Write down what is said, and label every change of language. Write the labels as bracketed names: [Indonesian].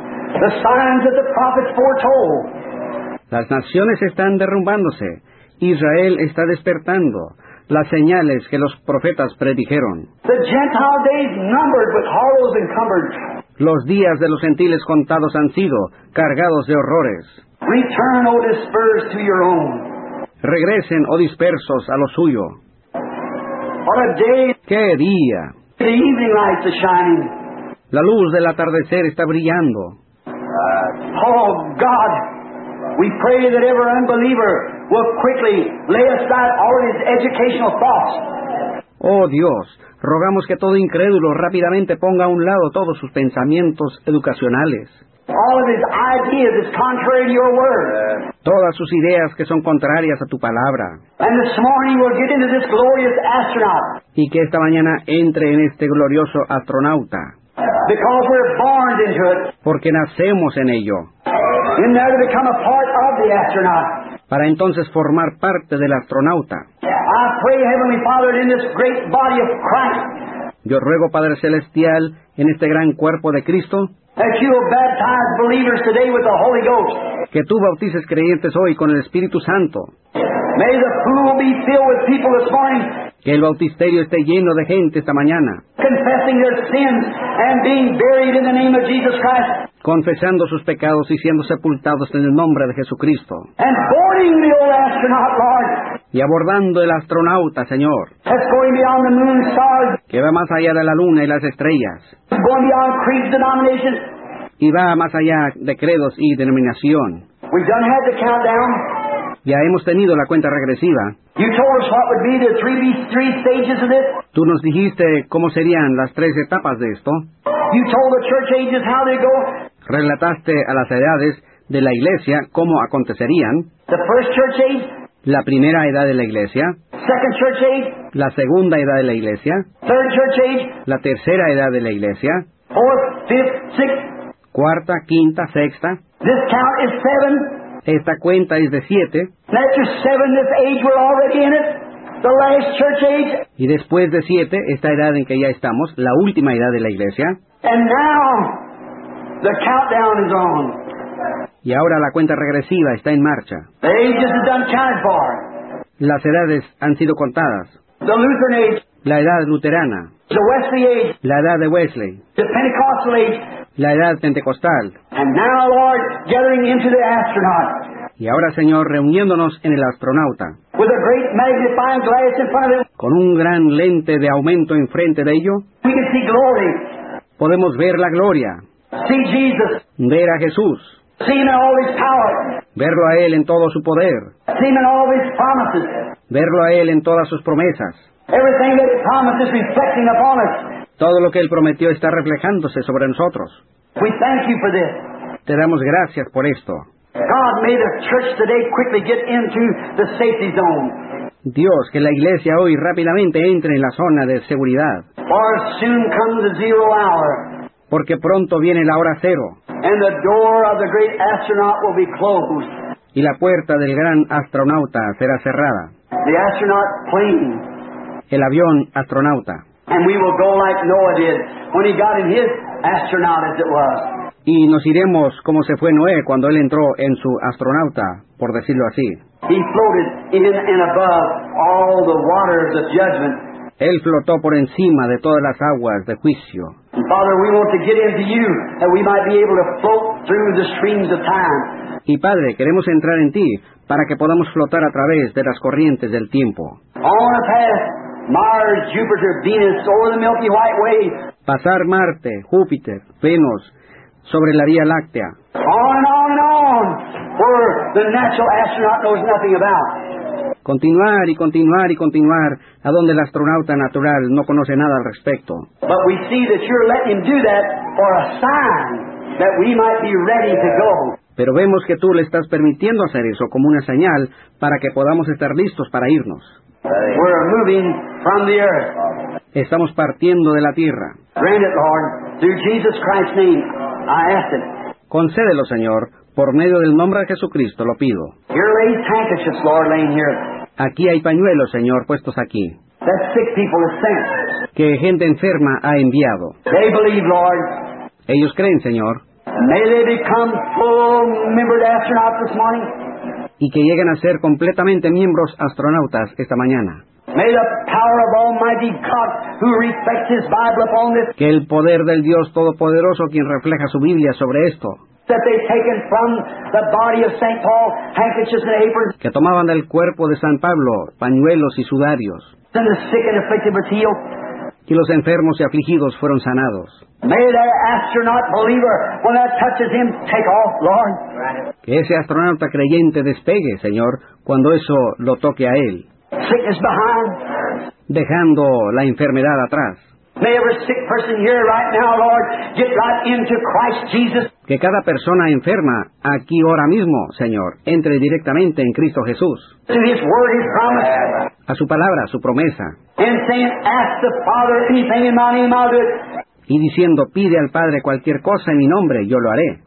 [English] The signs that the prophets foretold. [Spanish] Las naciones están derrumbándose. Israel está despertando. Las señales que los profetas predijeron. [English] The Gentile days numbered with horrors encumbered. [Spanish] Los días de los gentiles contados han sido cargados de horrores. [English] Return, O dispersed, to your own. [Spanish] Regresen, oh dispersos, a lo suyo. [English] What a day. [Spanish] ¡Qué día! [English] The evening lights are shining. [Spanish] La luz del atardecer está brillando. [English] Oh, God! We pray that every unbeliever will quickly lay aside all his educational thoughts. [Spanish] Oh Dios, rogamos que todo incrédulo rápidamente ponga a un lado todos sus pensamientos educacionales. [English] All of his ideas is contrary to your word. [Spanish] Todas sus ideas que son contrarias a tu palabra. [English] And this morning we'll get into this glorious astronaut. [Spanish] Y que esta mañana entre en este glorioso astronauta. [English] Because we're born into it. [Spanish] Porque nacemos en ello. [English] In there to become a part of the astronaut. [Spanish] Para entonces formar parte del astronauta. [English] I pray, Heavenly Father, in this great body of Christ. [Spanish] Yo ruego, Padre Celestial, en este gran cuerpo de Cristo. [English] That you will baptize believers today with the Holy Ghost. [Spanish] Que tú bautices creyentes hoy con el Espíritu Santo. [English] May the pool be filled with people this morning. [Spanish] Que el bautisterio esté lleno de gente esta mañana. [English] Confessing their sins and being buried in the name of Jesus Christ. [Spanish] Confesando sus pecados y siendo sepultados en el nombre de Jesucristo. [English] And boarding the old astronaut, Lord. [Spanish] Y abordando el astronauta, Señor. [English] That's going beyond the moon and stars. [Spanish] Que va más allá de la luna y las estrellas. [English] Going beyond creed denominations. [Spanish] Y va más allá de credos y denominación. [English] We've done had the countdown. [Spanish] Ya hemos tenido la cuenta regresiva. [English] You told us what would be the three stages of this. [Spanish] Tú nos dijiste cómo serían las 3 etapas de esto. [English] You told the church ages how they go. [Spanish] Relataste a las edades de la iglesia, ¿cómo acontecerían? [English] The first church age. [Spanish] La primera edad de la iglesia. [English] Second church age. [Spanish] La segunda edad de la iglesia. [English] Third church age. [Spanish] La tercera edad de la iglesia. [English] Fourth, fifth, sixth. [Spanish] Cuarta, quinta, sexta. [English] This count is seven. [Spanish] Esta cuenta es de siete. [English] After seven, this age we're already in it. The last church age. [Spanish] Y después de siete, esta edad en que ya estamos, la última edad de la iglesia. [English] And now, the countdown is on. [Spanish] Y ahora la cuenta regresiva está en marcha. [English] The ages have done time for. [Spanish] Las edades han sido contadas. [English] The Lutheran age. [Spanish] La edad luterana. [English] The Wesley age. [Spanish] La edad de Wesley. [English] The Pentecostal age. [Spanish] La edad pentecostal. [English] And now, Lord, gathering into the astronaut. [Spanish] Y ahora, Señor, reuniéndonos en el astronauta. [English] With a great magnifying glass in front of him. [Spanish] Con un gran lente de aumento enfrente de ello. [English] We can see glory. [Spanish] Podemos ver la gloria. [English] See Jesus. [Spanish] Ver a Jesús. [English] See him in all his power. [Spanish] Verlo a Él en todo su poder. [English] See him in all his promises. [Spanish] Verlo a Él en todas sus promesas. [English] Everything that he promised is reflecting upon us. [Spanish] Todo lo que Él prometió está reflejándose sobre nosotros. [English] We thank you for this. [Spanish] Te damos gracias por esto. [English] God made the church today quickly get into the safety zone. [Spanish] Dios, que la iglesia hoy rápidamente entre en la zona de seguridad. [English] For soon comes the zero hour. [Spanish] Porque pronto viene la hora cero. [English] And the door of the great astronaut will be closed. [Spanish] Y la puerta del gran astronauta será cerrada. [English] The astronaut plane. [Spanish] El avión astronauta. [English] And we will go like Noah did when he got in his astronaut, as it was. [Spanish] Y nos iremos como se fue Noé cuando él entró en su astronauta, por decirlo así. [English] He floated in and above all the waters of judgment. [Spanish] Él flotó por encima de todas las aguas de juicio. [English] Father, we want to get into you that we might be able to float through the streams of time. [Spanish] Y Padre, queremos entrar en ti para que podamos flotar a través de las corrientes del tiempo. [English] On a path, Mars, Jupiter, Venus, over the Milky White Way. [Spanish] Pasar Marte, Júpiter, Venus, sobre la Vía Láctea. [English] On and on and on, where the natural astronaut knows nothing about. [Spanish] Continuar y continuar y continuar a donde el astronauta natural no conoce nada al respecto. [English] But we see that you're letting him do that for a sign that we might be ready to go. [Spanish] Pero vemos que tú le estás permitiendo hacer eso como una señal para que podamos estar listos para irnos. [English] We're moving from the earth. [Spanish] Estamos partiendo de la tierra. [English] Grant it, Lord, through Jesus Christ's name, I ask it. [Spanish] Concédelo, Señor. Por medio del nombre de Jesucristo lo pido. [English] Here lay handkerchiefs, Lord, laying here. [Spanish] Aquí hay pañuelos, Señor, puestos aquí. [English] That sick people are sent. [Spanish] Que gente enferma ha enviado. [English] They believe, Lord. [Spanish] Ellos creen, Señor. [English] May they become full-membered astronauts this morning. [Spanish] Y que lleguen a ser completamente miembros astronautas esta mañana. [English] May the power of Almighty God, who reflects His Bible upon this. [Spanish] Que el poder del Dios Todopoderoso, quien refleja su Biblia sobre esto. [English] That they've taken from the body of St. Paul handkerchiefs and aprons. [Spanish] Que tomaban del cuerpo de San Pablo pañuelos y sudarios. [English] And the sick and afflicted were healed. [Spanish] Y los enfermos y afligidos fueron sanados. [English] May that astronaut believer, when that touches him, take off, Lord. [Spanish] Que ese astronauta creyente despegue, Señor, cuando eso lo toque a él. [English] Sickness behind. [Spanish] Dejando la enfermedad atrás. [English] May every sick person here right now, Lord, get right into Christ Jesus. [Spanish] Que cada persona enferma aquí ahora mismo, Señor, entre directamente en Cristo Jesús. [English] To His word, His promise. [Spanish] A su palabra, su promesa. [English] And saying, ask the Father anything in my name, I'll do it. [Spanish] Y diciendo, pide al Padre cualquier cosa en mi nombre, yo lo haré.